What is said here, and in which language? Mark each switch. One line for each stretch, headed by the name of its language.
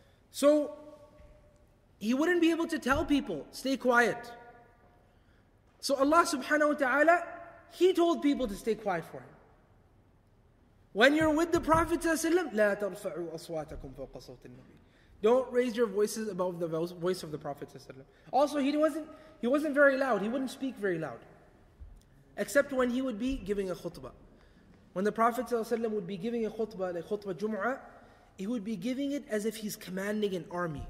English: So, he wouldn't be able to tell people, stay quiet. So Allah subhanahu wa ta'ala, He told people to stay quiet for him. When you're with the Prophet ﷺ,
Arabic: لا ترفعوا أصواتكم فوق صوت النبي.
English: Don't raise your voices above the voice of the Prophet ﷺ. Also, he wasn't very loud. He wouldn't speak very loud. Except when he would be giving a khutbah. When the Prophet ﷺ would be giving a khutbah, like khutbah Jumu'ah, he would be giving it as if he's commanding an army.